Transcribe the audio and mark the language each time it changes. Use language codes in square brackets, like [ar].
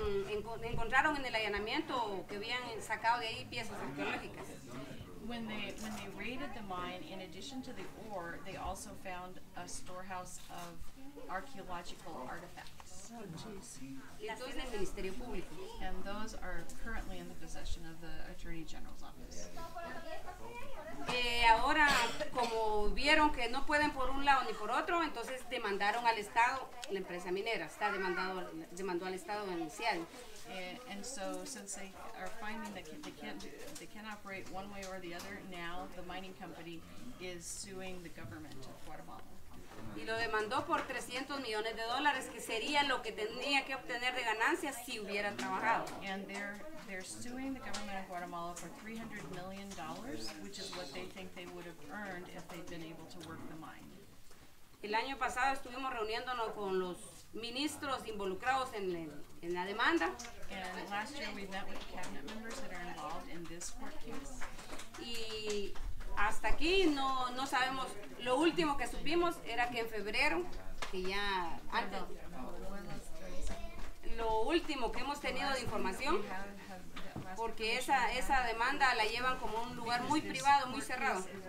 [es] Encontraron en el allanamiento que habían sacado de ahí piezas arqueológicas. [en] When they raided the mine, in addition to the ore, they also found a storehouse of archaeological artifacts. [es] Entonces, en el Ministerio Público. [en] And those are currently in the possession of the Attorney General's office. [es] Ahora, como vieron que no pueden por un lado ni por otro, entonces demandaron al Estado, la empresa minera, está demandó al Estado en el CIAD. [en] And so, since they are finding that they can't operate one way or the other, now the mining company is suing the government of Guatemala. [es] Y lo demandó por 300 millones de dólares, que sería lo que tenía que obtener de ganancias si hubieran trabajado. [en] And they're suing the government of Guatemala for $300 million, which is what they think they would have earned if they'd been able to work the mine. [es] El año pasado estuvimos reuniéndonos con los ministros involucrados en la demanda. [en] And last year we met with cabinet members that are involved in this court case. [es] Y hasta aquí no sabemos. Lo último que supimos era que en febrero, que ya antes, lo último que hemos tenido de información, porque esa demanda la llevan como un lugar muy privado, muy cerrado.